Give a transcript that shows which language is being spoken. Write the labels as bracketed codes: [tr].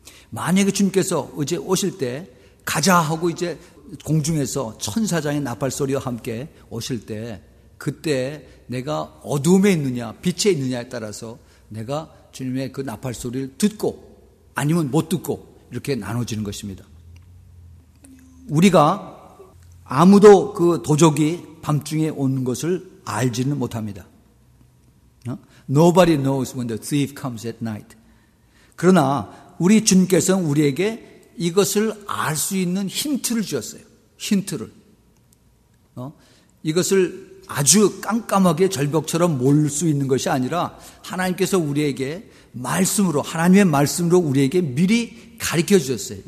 [ko] 만약에 주님께서 이제 오실 때 가자 하고 이제 공중에서 천사장의 나팔 소리와 함께 오실 때 그때 내가 어둠에 있느냐 빛에 있느냐에 따라서 내가 주님의 그 나팔 소리를 듣고 아니면 못 듣고 이렇게 나눠지는 것입니다. 우리가 아무도 그 도적이 밤중에 오는 것을 알지는 못합니다. [en] Nobody knows when the thief comes at night. [ko] 그러나 우리 주님께서는 우리에게 이것을 알 수 있는 힌트를 주셨어요. 힌트를. 이것을 아주 깜깜하게 절벽처럼 모를 수 있는 것이 아니라 하나님께서 우리에게 말씀으로, 하나님의 말씀으로 우리에게 미리 가르쳐 주셨어요.